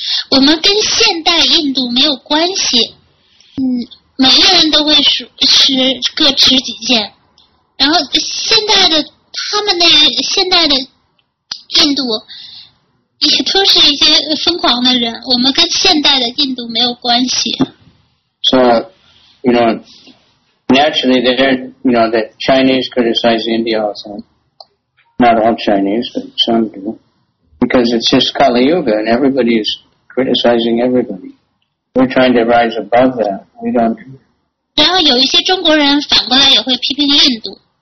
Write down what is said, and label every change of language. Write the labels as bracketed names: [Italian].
[Chinese] 我们跟现代印度没有关系。每个人都会是各持己见。然后现代的他们那现代的印度也都是一些疯狂的人。我们跟现代的印度没有关系。 [English] So, you know, naturally they're, you know, the Chinese criticize India also. Not all Chinese, but some do. Because it's just Kali Yuga and everybody is criticizing everybody. We're trying to rise above that. We don't. [Chinese] 然后有一些中国人反过来也会批评印度。